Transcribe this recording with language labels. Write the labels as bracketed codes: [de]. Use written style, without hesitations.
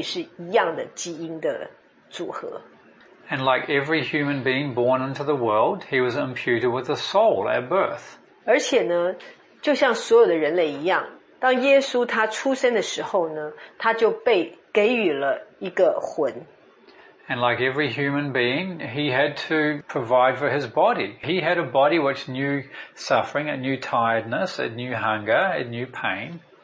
[zh] 的这一个天然人的这一部分，那他呢就跟我们所有的人一样，有23对染色体。好，那其中呢23个染色体来自于玛利亚，他的母亲；另外的23个染色体是来自圣灵，所以这才成为23对染色体，所以他跟人类是一样的基因的组合。 [en] And like every human being born into the world, he was imputed with a soul at birth. [zh] 而且呢，就像所有的人类一样，当耶稣他出生的时候呢，他就被给予了一个魂。And [en] like every human being, he had to provide for his body. He had a body which knew suffering, it knew tiredness, it knew hunger, it knew pain.